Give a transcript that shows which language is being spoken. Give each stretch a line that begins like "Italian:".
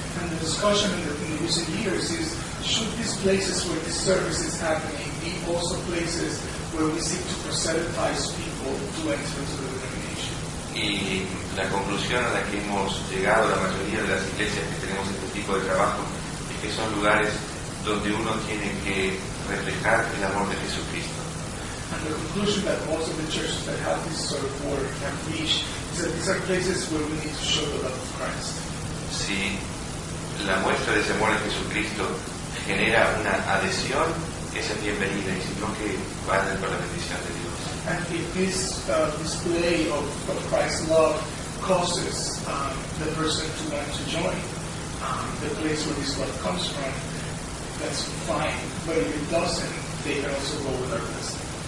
English: And the discussion in recent years is, should these places where this service is happening be also places where we seek to proselytize people to enter into the denomination?
Spanish: Y la conclusión a la que hemos llegado la mayoría de las iglesias que tenemos este tipo de trabajo es que son lugares donde uno tiene que reflejar el amor de Jesucristo.
English: And the conclusion that most of the churches that have this sort of work can reach is that these are places where we need to show the love of Christ.
Spanish: Sí. La muestra de ese amor a Jesucristo genera una adhesión, esa bienvenida, y si no, que vayan con la bendición de Dios.
English: And if this display of Christ's love causes the person to want to join the place where this love comes from, that's fine. But if it doesn't, they can also go with our blessing.